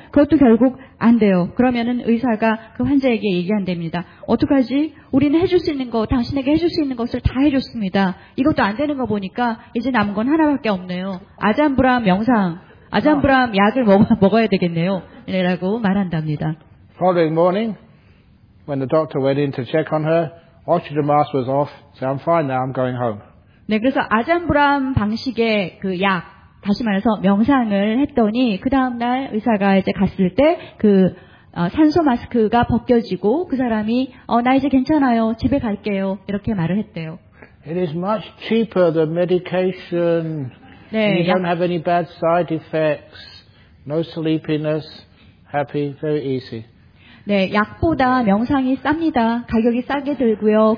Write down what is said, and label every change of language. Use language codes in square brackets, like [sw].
[ko] 그것도 결국 안 돼요. 그러면은 의사가 그 환자에게 얘기한답니다. 어떡하지? 우리는 해줄 수 있는 거, 당신에게 해줄 수 있는 것을 다 해줬습니다. 이것도 안 되는 거 보니까 이제 남은 건 하나밖에 없네요. 아잠브람 명상, 아잠브람 약을 먹어야 되겠네요. 라고 말한답니다. [en] Following morning, when the doctor went in to check on her, oxygen mask was off, so I'm fine now, I'm going home. [ko] 네, 그래서 아잠브람 방식의 그 약, 다시 말해서 명상을 했더니 그 다음날 의사가 이제 갔을 때 그 산소 마스크가 벗겨지고 그 사람이 나 이제 괜찮아요, 집에 갈게요 이렇게 말을 했대요. [en] It is much cheaper than medication. 네, you don't have any bad side effects, no sleepiness, happy, very easy. [ko] 네, 약보다 명상이 쌉니다. 가격이 싸게 들고요.